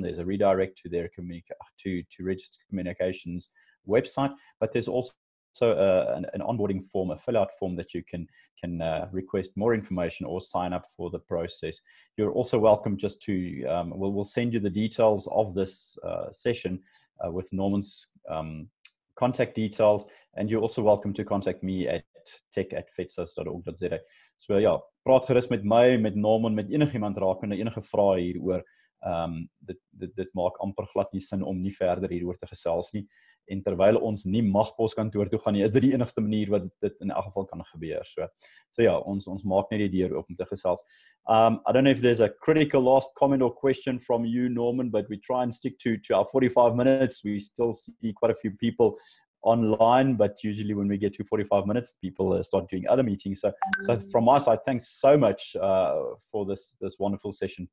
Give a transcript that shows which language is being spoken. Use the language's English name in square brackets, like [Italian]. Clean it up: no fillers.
[English] There's a redirect to their to register communications website, but there's also an onboarding form, a fill out form that you can request more information or sign up for the process. You're also welcome just to, we'll send you the details of this session with Norman's contact details. And you're also welcome to contact me at tech@fedsas.org.za. [Afrikaans] So yeah, praat gerus met my, met Norman, met enige iemand rakende enige vrae hieroor. Dit maak amper glad nie sin om nie verder hieroor te gesels nie. En terwyl ons nie mag poskantoor toe gaan nie, is dit die enigste manier wat dit in elk geval kan gebeur. So ja, ons maak net die deur oop om te gesels. [English] I don't know if there's a critical last comment or question from you, Norman, but we try and stick to our 45 minutes. We still see quite a few people online, but usually when we get to 45 minutes, people start doing other meetings. So from my side, thanks so much for this wonderful session.